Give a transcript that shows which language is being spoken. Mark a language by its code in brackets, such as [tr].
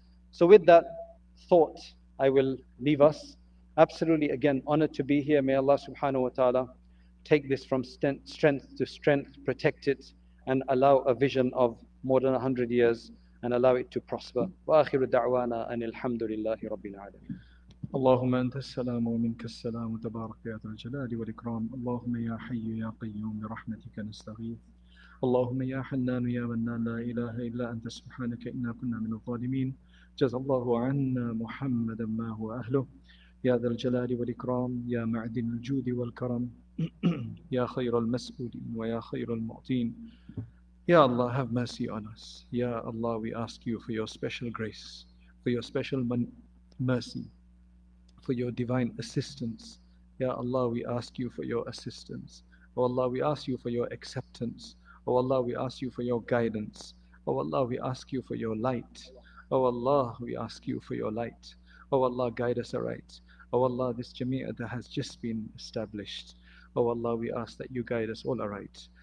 [en] So with that thought, I will leave us. Absolutely, again, honored to be here. May Allah subhanahu wa ta'ala take this from strength to strength, protect it, and allow a vision of more than 100 years, and allow it to prosper. [ar] Wa akhiru da'wana and alhamdulillahi rabbil alamin. اللهم أنت السلام ومنك السلام تبارك يا ذا الجلال والإكرام اللهم يا حي يا قيوم برحمتك نستغيث اللهم يا حنان يا منان لا إله إلا أنت سبحانك إنا كنا من الظالمين جزى الله عنا محمدا ما هو أهله يا ذا الجلال والإكرام يا معدن الجود والكرم يا خير المسؤولين ويا خير المعطين يا الله [en] have mercy on us [ar] يا الله [en] we ask you for your special grace for your special mercy for your divine assistance. Ya Allah, we ask you for your assistance. Oh Allah, we ask you for your acceptance. Oh Allah, we ask you for your guidance. Oh Allah, we ask you for your light. Oh Allah, we ask you for your light. Oh Allah, guide us aright. Oh Allah, this Jamia that has just been established. Oh Allah, we ask that you guide us all aright.